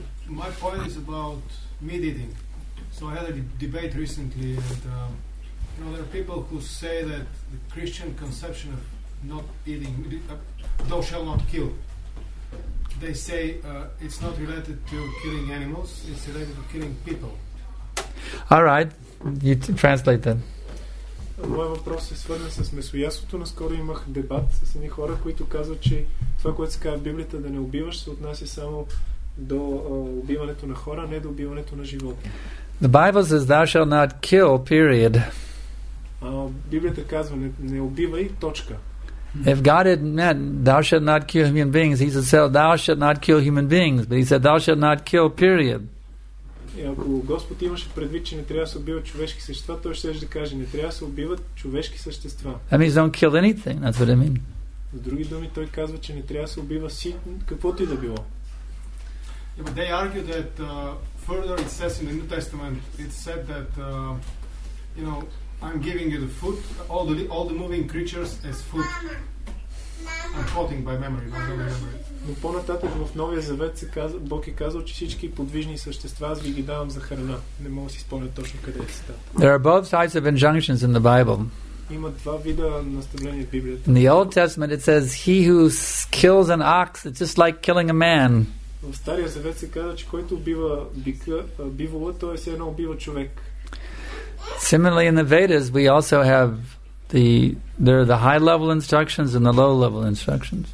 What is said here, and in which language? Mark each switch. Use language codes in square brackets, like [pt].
[en] My point is about meat eating. So I had a debate recently, and you know, there are people who say that the Christian conception of not eating, thou shalt not kill, they say it's not related to killing animals, it's related to killing people. All right, you translate that. [bg] Моя въпрос е свързан с месоядството. Наскоро имах дебат с едни хора, които казват, че това, което се казва в Библията, да не убиваш, се отнася само до убиването на хора, не до убиването на животни. [en] The Bible says thou shalt not kill, period. [bg] Библията казва, не убивай, точка. [en] If God had meant thou shalt not kill human beings, he said, so thou shalt not kill human beings, but he said thou shalt not kill, period. [bg] И ако Господ имаше предвид, че не трябва да се убиват човешки същества, той ще да каже, не трябва да се убиват човешки същества. [en] That means don't kill anything, that's what I mean. [bg] В други думи, той казва, че не трябва да се убива си, каквото и да било. [en] Yeah, but they argue that further it says in the New Testament, it said that, you know, I'm giving you the food, all the moving creatures as food. I'm quoting by memory, not by memory. [bg] Но по-нататък в Новия Завет се казва, Бог е казал, че всички подвижни същества аз ви ги давам за храна. Не мога да си спомня точно къде е цитата. [en] There are both sides of injunctions in the Bible. [bg] Има два вида наставления в Библията. [en] In the Old Testament it says, he who kills an ox, it's just like killing a man. [bg] В Стария Завет се казва, че който убива бика, бивола, той е все едно убива човек. [en] Similarly, in the Vedas, we also have there are the high level instructions and the low level instructions.